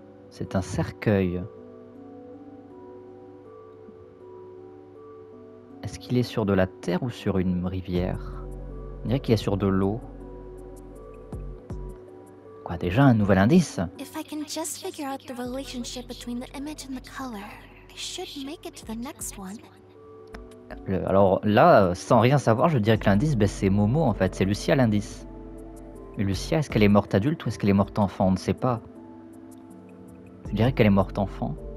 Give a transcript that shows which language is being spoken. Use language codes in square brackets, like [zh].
[fr] C'est un cercueil. Est-ce qu'il est sur de la terre ou sur une rivière ? On dirait qu'il est sur de l'eau. Quoi, déjà un nouvel indice ? [en] If I can just figure out the relationship between the image and the color, I should make it to the next one. [fr] Alors là, sans rien savoir, je dirais que l'indice, ben, c'est Momo en fait, c'est Lucia l'indice. Mais Lucia, est-ce qu'elle est morte adulte ou est-ce qu'elle est morte enfant ? On ne sait pas. Je dirais qu'elle est morte enfant.